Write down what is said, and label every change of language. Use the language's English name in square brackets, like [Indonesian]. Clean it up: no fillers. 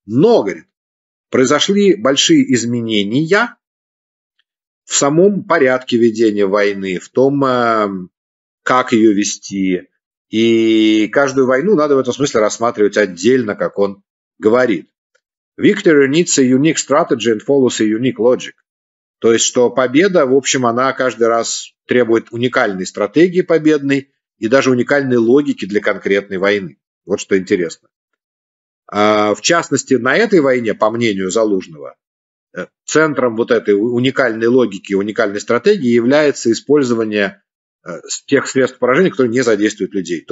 [Russian] Но, говорит, произошли большие изменения в самом порядке ведения войны, в том, как ее вести. И каждую войну надо в этом смысле рассматривать отдельно, как он говорит. [English] Victory needs a unique strategy and follows a unique logic. [Russian] То есть, что победа, в общем, она каждый раз требует уникальной стратегии победной и даже уникальной логики для конкретной войны. Вот что интересно. В частности, на этой войне, по мнению Залужного, центром вот этой уникальной логики, уникальной стратегии является использование тех средств поражения, которые не задействуют людей.